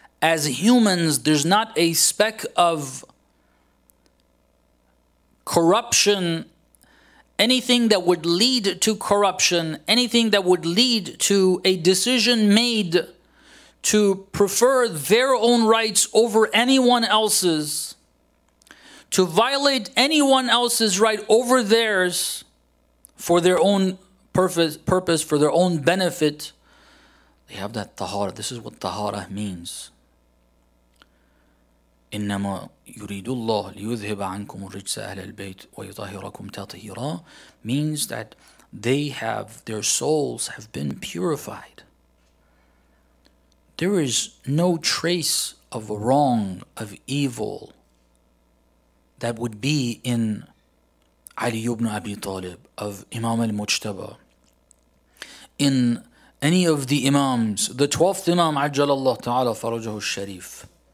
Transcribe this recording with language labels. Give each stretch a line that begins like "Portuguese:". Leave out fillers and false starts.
English: As humans, there's not a speck of corruption, anything that would lead to corruption, anything that would lead to a decision made to prefer their own rights over anyone else's, to violate anyone else's right over theirs for their own purpose, for their own benefit. They have that tahara. This is what tahara means.
Arabic: إِنَّمَا يُرِيدُ اللَّهُ لِيُذْهِبَ عَنْكُمُ الرِّجْسَ أَهْلَ الْبَيْتِ وَيُطَهِرَكُمْ تَطْهِيرًا
English: means that they have, their souls have been purified. There is no trace of wrong, of evil that would be in Ali ibn Abi Talib, of Imam al-Mujtaba, in any of the Imams, the 12th Imam, Ajjalallah Ta'ala, Farajahu al-Sharif.